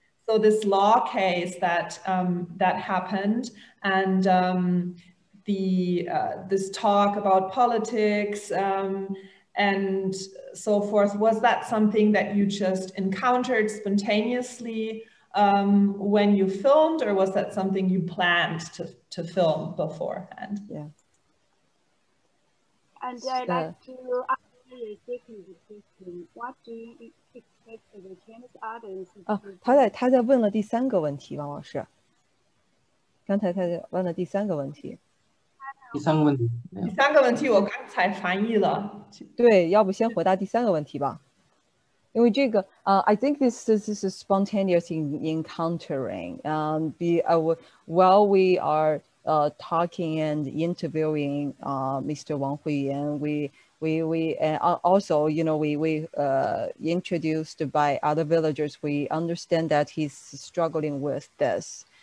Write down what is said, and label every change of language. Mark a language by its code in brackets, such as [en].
[en] So this law case that happened, and this talk about politics and so forth, was that something that you just encountered spontaneously when you filmed, or was that something you planned to film beforehand? Yeah. And I'd like to ask you a second question. What do you expect of the Chinese audience? [zh] 他在问了第三个问题，王老师。刚才他问了第三个问题。第三个问题。第三个问题我刚才翻译了。对，要不先回答第三个问题吧。因为这个, [en] I think this is a spontaneous encountering. While we are talking and interviewing Mr. Wang Huiyan, we introduced by other villagers, we understand that he's struggling with this.